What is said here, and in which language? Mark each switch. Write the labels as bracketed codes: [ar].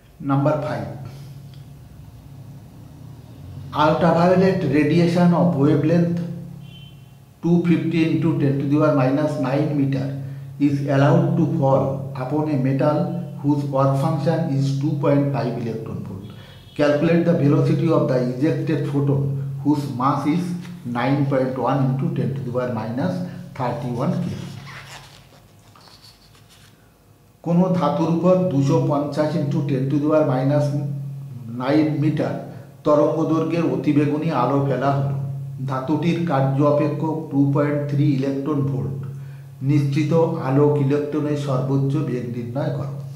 [en] Number five, ultraviolet radiation of wavelength 250 × 10⁻¹⁹ metre is allowed to fall upon a metal whose work function is 2.5 electron volt. Calculate the velocity of the ejected photon whose mass is 9.1 into 10 to the power minus 31 kg. [bn] কোনো ধাতুর উপর 250 × 10⁻¹ metre তরঙ্গ দৈর্ঘ্যের অতিবেগুনি আলো ফেলা হল। ধাতুটির কার্য অপেক্ষক 2.3 ইলেকট্রন ভোল্ট। নিশ্চিত আলোক ইলেকট্রনের সর্বোচ্চ বেগ নির্ণয় কর।